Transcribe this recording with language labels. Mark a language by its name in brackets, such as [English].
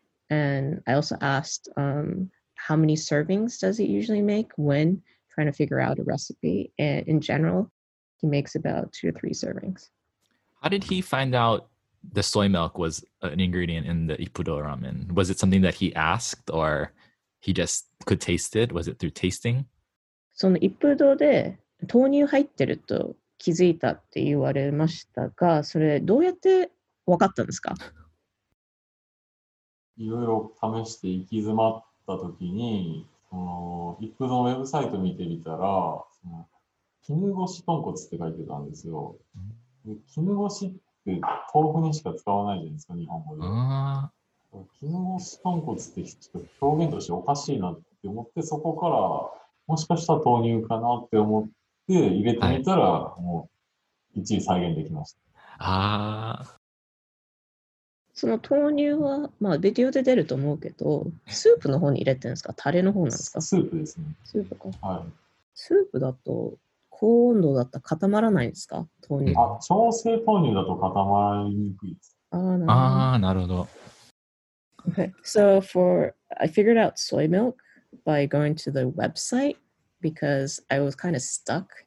[English] And I also asked how many servings does he usually make when trying to figure out a recipe. And in general, he makes about 2 or 3 servings. How did he find out the soy milk was an ingredient in the Ippudo ramen? Was it something that he asked or he just could taste it? Was it through tasting? [Japanese] その Ippudo で豆乳入ってると気づいたって言われましたが、それどうやって分かったんですか？いろいろ試して行き詰まった時に、Ippudo のウェブサイト見てみたら、絹ごし豚骨って書いてたんですよ。で、絹ごし豆腐にしか使わないじゃないですか、日本語で。絹ごし豚骨ってちょっと表現としておかしいなって思って、そこからもしかしたら豆乳かなって思って入れてみたら、はい、もう一時再現できました。あ、その豆乳は、まあ、ビデオで出ると思うけど、スープの方に入れてるんですか、タレの方なんですか？スープですね。スープか、はい、スープだと高温度だったら固まらないんですか、豆乳？あ、調整豆乳だと固まりにくいです。ああ、なるほど。 [English] Okay, so I figured out soy milk by going to the website because I was kind of stuck.